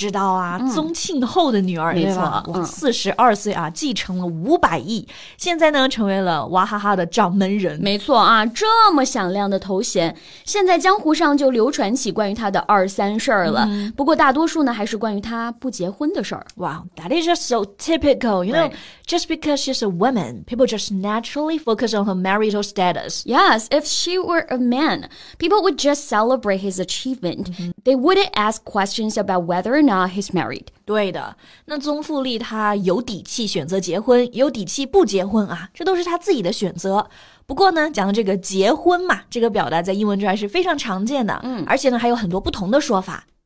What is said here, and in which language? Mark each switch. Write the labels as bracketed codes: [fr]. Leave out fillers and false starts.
[zh] 知道啊，宗庆后的女儿，没错， 42岁啊，继承了500亿，现在呢成为了娃哈哈的掌门人。没错啊，这么响亮的头衔，现在江湖上就流传起关于她的二三事儿了。不过大多数呢还是关于她不结婚的事儿。 [en] Wow, that is just so typical, you know,just because she's a woman, people just naturally focus on her marital status. Yes, if she were a man, people would just celebrate his achievement. They wouldn't ask questions about whether or not he's married. [zh] 对的，那宗馥莉她有底气选择结婚，有底气不结婚啊，这都是她自己的选择。不过呢，讲这个结婚嘛，这个表达在英文中还是非常常见的，而且呢还有很多不同的说法。